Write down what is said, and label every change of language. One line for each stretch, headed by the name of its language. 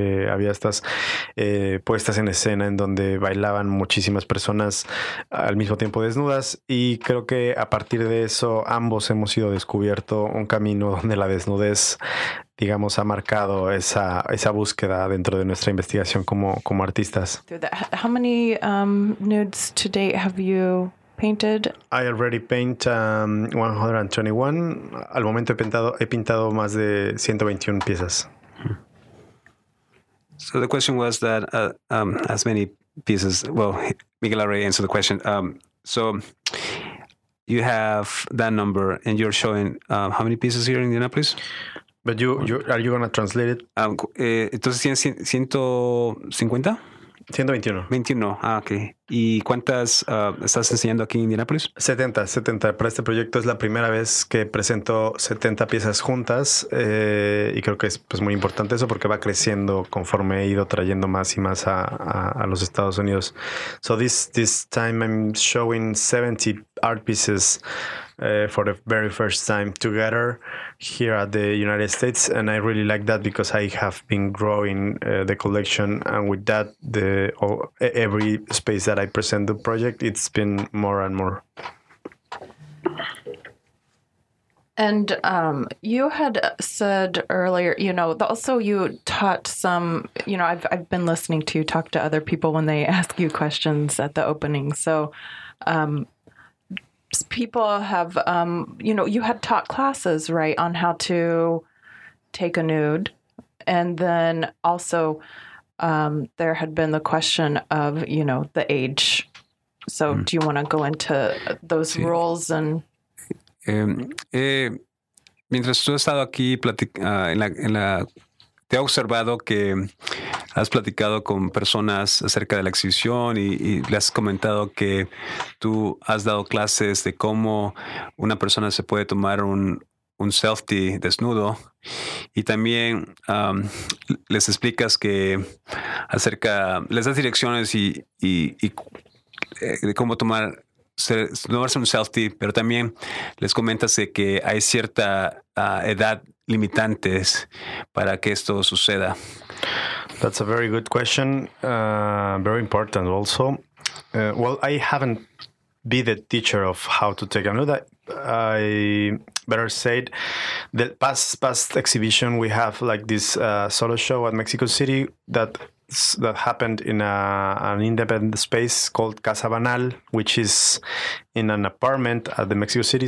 Spanish: Había estas puestas en escena en donde bailaban muchísimas personas al mismo tiempo desnudas, y creo que a partir de eso ambos hemos ido descubierto un camino donde la desnudez, digamos, ha marcado esa búsqueda dentro de nuestra investigación como artistas.
English: How many nudes to date have you painted? I already paint 121.
Spanish: Al momento he pintado más de 121 piezas.
English: So the question was that as many pieces. Well, Miguel already answered the question. So you have that number, and you're showing how many pieces here in Indianapolis? But you are you going to translate it?
Spanish: Entonces 150. 121. Ah, ok. ¿Y cuántas estás enseñando aquí en Indianapolis? 70. Para este proyecto es la primera vez que presento 70 piezas juntas, y creo que es pues muy importante eso, porque va creciendo conforme he ido trayendo más y más a los Estados Unidos.
English: So this time I'm showing 70 art pieces for the very first time together here at the United States, and I really like that because I have been growing the collection, and with that, every space that I present the project, it's been more and more. And you had said earlier, you know, also you taught some, you know, I've been listening to you talk to other people when they ask you questions at the opening. So people have, you know, you had taught classes, right, on how to take a nude. And then also there had been the question of, you know, the age. So do you want to go into those roles and...
Spanish: Mientras tú has estado aquí te he observado que has platicado con personas acerca de la exhibición y le has comentado que tú has dado clases de cómo una persona se puede tomar un selfie desnudo y también les explicas que acerca, les das direcciones y de cómo tomar tomarse un selfie, pero también les comentas de que hay cierta edad limitantes para que esto suceda.
English: That's a very good question, very important also. Well, I haven't been the teacher of how to take a nude. I better said the past exhibition we have like this solo show at Mexico City that happened in an independent space called Casa Banal, which is in an apartment at the Mexico City.